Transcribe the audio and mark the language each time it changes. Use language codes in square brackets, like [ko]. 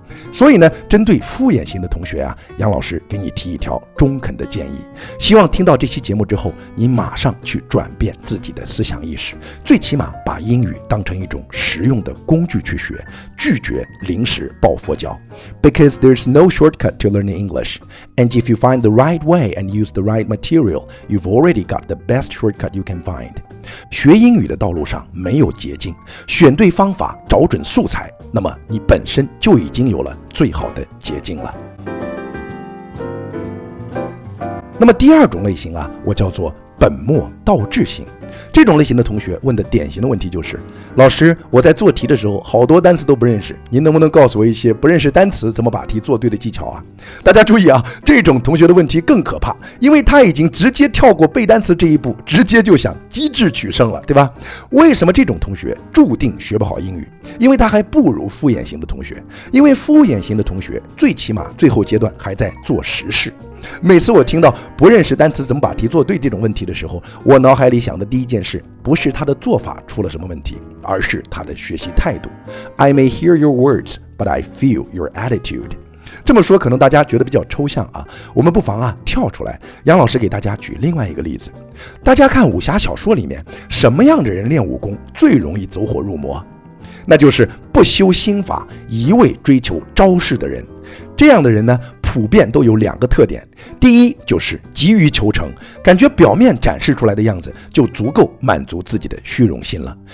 [zh] 所以呢，针对敷衍型的同学啊，杨老师给你提一条中肯的建议，希望听到这期节目之后，你马上去转变自己的思想意识，最起码把英语当成一种实用的工具去学，拒绝临时抱佛脚。 [en] Because there's no shortcut to learning English, and if you find the right way and use the right material, you've already got the best shortcut you can find. [zh] 学英语的道路上没有捷径，选对方法，找准素材，那么你本身就已经有了最好的捷径了。那么第二种类型啊，我叫做本末倒置型。这种类型的同学问的典型的问题就是，老师，我在做题的时候好多单词都不认识，您能不能告诉我一些不认识单词怎么把题做对的技巧啊？大家注意啊，这种同学的问题更可怕，因为他已经直接跳过背单词这一步，直接就想机智取胜了，对吧？为什么这种同学注定学不好英语？因为他还不如敷衍型的同学，因为敷衍型的同学最起码最后阶段还在做实事。每次我听到不认识单词怎么把题做对这种问题的时候，我脑海里想的第一件事不是他的做法出了什么问题，而是他的学习态度。 [en] I may hear your words, but I feel your attitude. [zh] 这么说可能大家觉得比较抽象啊，我们不妨啊跳出来，杨老师给大家举另外一个例子。大家看武侠小说里面什么样的人练武功最容易走火入魔？那就是不修心法，一味追求招式的人。这样的人呢，普遍都有两个特点。第一，就是急于求成，感觉表面展示出来的样子就足够满足自己的虚荣心了。